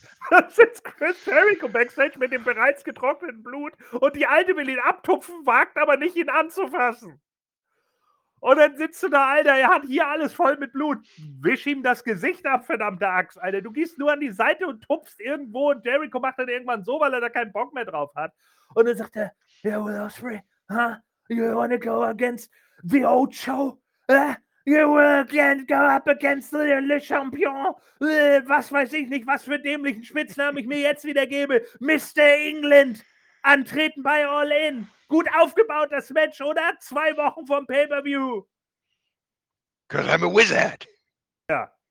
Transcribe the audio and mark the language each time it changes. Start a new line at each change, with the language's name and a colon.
German: Dann sitzt Chris Jericho backstage mit dem bereits getrockneten Blut und die Alte will ihn abtupfen, wagt aber nicht, ihn anzufassen. Und dann sitzt du da, Alter, er hat hier alles voll mit Blut. Wisch ihm das Gesicht ab, verdammte Axt, Alter. Du gehst nur an die Seite und tupfst irgendwo und Jericho macht dann irgendwann so, weil er da keinen Bock mehr drauf hat. Und dann sagt er, yeah, Will Ospreay, huh?
English: You wanna go against the old show? You will again go up against Le Champion?
German: Was weiß ich nicht, was für dämlichen Spitznamen ich mir jetzt wieder gebe. Mr. England, antreten bei All In. Gut aufgebaut, das Match, oder? Zwei Wochen vom Pay-Per-View.
English: Because I'm a wizard.
German: Ja.